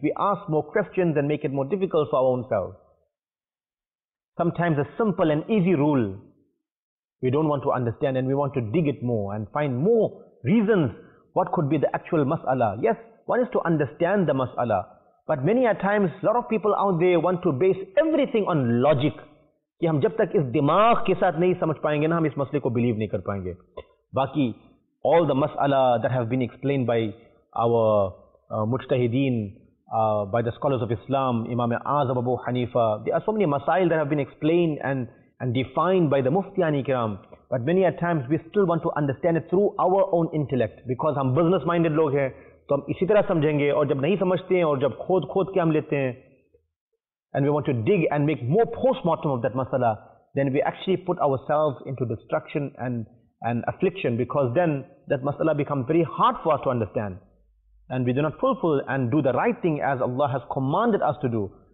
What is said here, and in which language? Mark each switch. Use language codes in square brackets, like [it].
[en] We ask more questions and make it more difficult for our own selves. Sometimes a simple and easy rule, we don't want to understand and we want to dig it more and find more reasons. What could be the actual mas'ala? Yes, one is to understand the mas'ala. But many a times, a lot of people out there want to base everything on logic. [hi] कि हम जब तक इस दिमाग के साथ नहीं समझ पाएंगे ना, हम इस मसले को बिलीव नहीं कर पाएंगे. [en] बाकी all the मसला that have been explain by our मुज्तहिदीन by the scholars of Islam, Imam Azam Abu Hanifa, there are so many मसाइल that have been explain and defined by the मुफ्तियान इकराम. But many times we still want to understand it through our own intellect. [hi] Because हम business minded लोग हैं, तो हम इसी तरह समझेंगे. और जब नहीं समझते हैं, और जब खोद खोद के हम लेते हैं, [en] and we want to dig and make more post-mortem of that masala, then we actually put ourselves into destruction and affliction, because then that masala becomes very hard for us to understand. And we do not fulfill and do the right thing as Allah has commanded us to do.